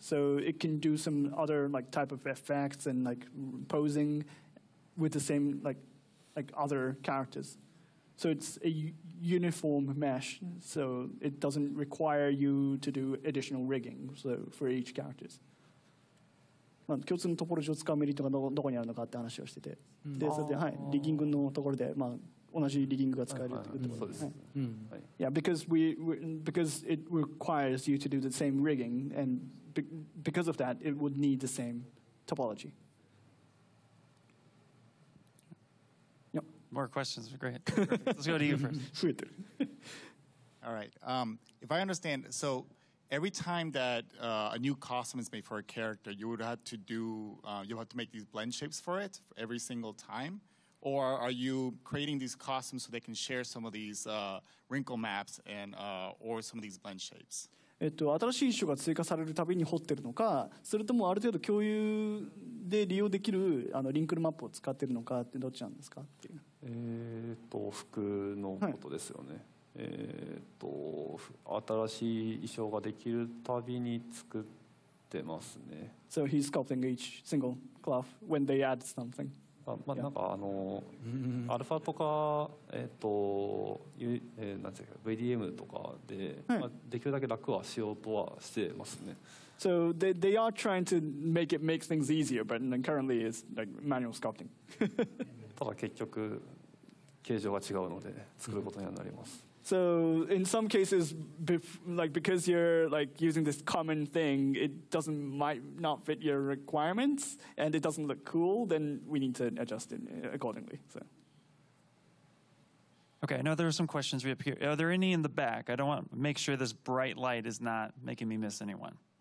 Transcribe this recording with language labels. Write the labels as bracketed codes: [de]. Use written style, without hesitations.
[en] So it can do some other like type of effects and like posing with the same like other characters. So it's a uniform mesh, so it doesn't require you to do additional rigging so for each characters. [ja] 共通のトポロジーを使うメリットがどこにあるのかって話をしてて、でそれで、はい、リギングのところで、まあ、同じリギングが使えるってことです。そうです。はい。 [en] Yeah, because it requires you to do the same rigging, and because of that, it would need the same topology. Yep. More questions? Great. Let's go to you first. All right. If I understand, so. Every time that a new costume is made for a character, you would have to do, you have to make these blend shapes for it every single time? Or are you creating these costumes so they can share some of these wrinkle maps and, or some of these blend shapes? [ja] 新しい衣装が追加されるたびに彫ってるのか、それともある程度共有で利用できるあのリンクルマップを使ってるのかってどっちなんですかっていう。服のことですよね。はい新しい衣装ができるたびに作ってますね。 [en] So he's sculpting each single cloth when they add something. [ja] まあ、yeah. なんかあのアルファとかなんていうか VDM とかで、はい、まあ、できるだけ楽はしようとはしてますね。 [en] So they are trying to make things easier, but currently it's like manual sculpting. [ja] ただ結局形状が違うので作ることにはなります。 [en] So in some cases, because you're like using this common thing, it doesn't might not fit your requirements, and it doesn't look cool. Then we need to adjust it accordingly. So. Okay, I know there are some questions we have here. Are there any in the back? I don't want to make sure this bright light is not making me miss anyone.